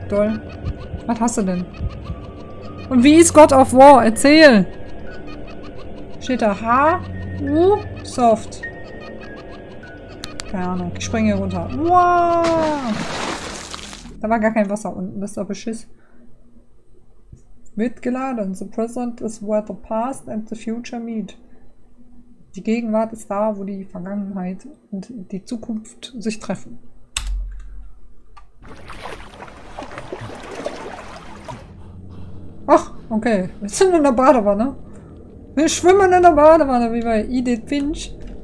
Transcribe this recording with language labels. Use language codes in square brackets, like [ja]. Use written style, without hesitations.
[de] Toll. Was hast du denn? Und wie ist God of War? Erzähl! Steht da H, U, Soft. Keine Ahnung, ich springe hier runter. Wow! Da war gar kein Wasser unten, das ist doch Beschiss. Mitgeladen. [en] The present is where the past and the future meet. [de] Die Gegenwart ist da, wo die Vergangenheit und die Zukunft sich treffen. Ach, okay. Wir sind in der Badewanne. Wir schwimmen in der Badewanne, wie bei Edith Finch.